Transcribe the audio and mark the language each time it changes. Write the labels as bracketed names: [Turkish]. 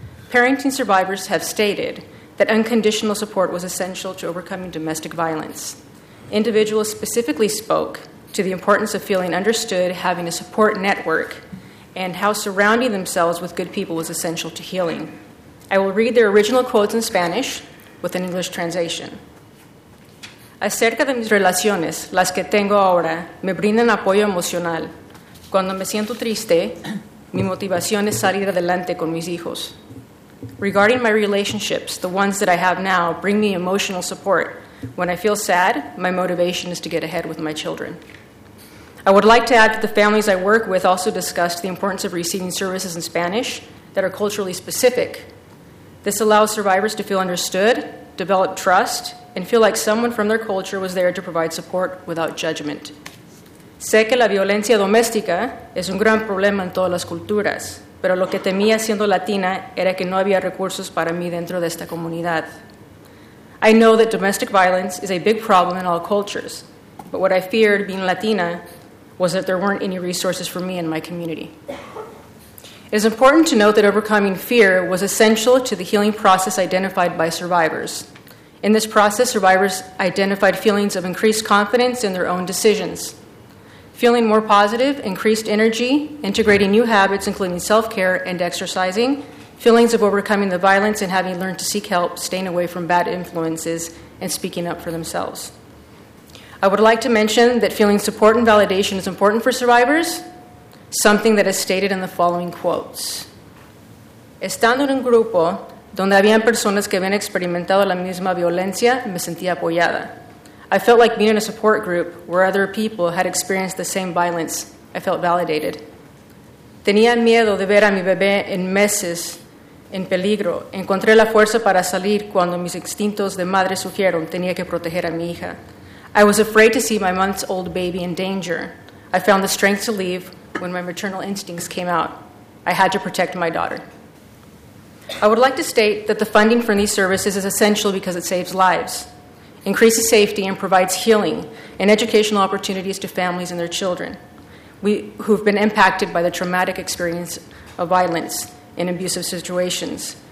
[English] Parenting survivors have stated that unconditional support was essential to overcoming domestic violence. Individuals specifically spoke to the importance of feeling understood, having a support network, and how surrounding themselves with good people was essential to healing. I will read their original quotes in Spanish with an English translation. [Spanish] Acerca de mis relaciones, las que tengo ahora, me brindan apoyo emocional. Cuando me siento triste, mi motivación es salir adelante con mis hijos. [English] Regarding my relationships, the ones that I have now bring me emotional support. When I feel sad, my motivation is to get ahead with my children. I would like to add that the families I work with also discussed the importance of receiving services in Spanish that are culturally specific. This allows survivors to feel understood, develop trust, and feel like someone from their culture was there to provide support without judgment. [Spanish] Sé que la violencia doméstica es un gran problema en todas las culturas, pero lo que temía siendo latina era que no había recursos para mí dentro de esta comunidad. [English] I know that domestic violence is a big problem in all cultures, but what I feared being Latina was that there weren't any resources for me in my community. It is important to note that overcoming fear was essential to the healing process identified by survivors. In this process, survivors identified feelings of increased confidence in their own decisions. Feeling more positive, increased energy, integrating new habits, including self-care and exercising, feelings of overcoming the violence and having learned to seek help, staying away from bad influences, and speaking up for themselves. I would like to mention that feeling support and validation is important for survivors, something that is stated in the following quotes. [Spanish] Estando en un grupo donde habían personas que habían experimentado la misma violencia, me sentía apoyada. [English] I felt like being in a support group where other people had experienced the same violence. I felt validated. [Spanish] Tenía miedo de ver a mi bebé en meses en peligro. Encontré la fuerza para salir cuando mis instintos de madre sugirieron tenía que proteger a mi hija. [English] I was afraid to see my months-old baby in danger. I found the strength to leave when my maternal instincts came out. I had to protect my daughter. I would like to state that the funding for these services is essential because it saves lives, increases safety, and provides healing and educational opportunities to families and their children who have been impacted by the traumatic experience of violence in abusive situations.